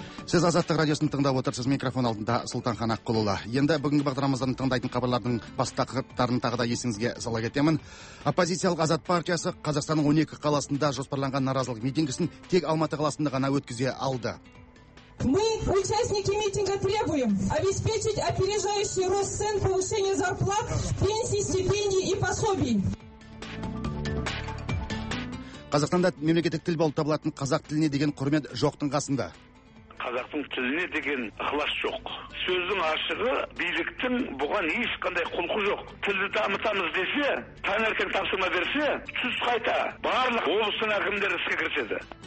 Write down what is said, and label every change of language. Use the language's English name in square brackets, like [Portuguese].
[Kazakh] Сіз Азаттық радиосын тыңдап отырсыз, микрофон алдында Сұлтанхан Аққұлұлы. Енді бүгінгі бағдарламамыздан тыңдайтын хабарлардың басты тақырыптарын тағы да есіңізге сала кетемін. Оппозициялық Азат партиясы Қазақстанның 12 қаласында жоспарланған наразылық митингісін тек Алматы қаласында ғана өткізе алды. [Russian] Мы, участники митинга, требуем обеспечить опережающий рост цен, повышение зарплат, пенсий, стипендий и пособий. [Kazakh] Қазақстанда мемлекеттік тіл болып табылатын қазақ тіліне деген құрмет жоқтың қасында. Қазақтың тіліне деген ықылас жоқ. Сөздің ашығы, биліктің бұған ешқандай құлқы жоқ. Тілді дамытамыз десе, таңертен тапсырма берсе, түс қайта барлық облыстың әкімдері іске кіріседі.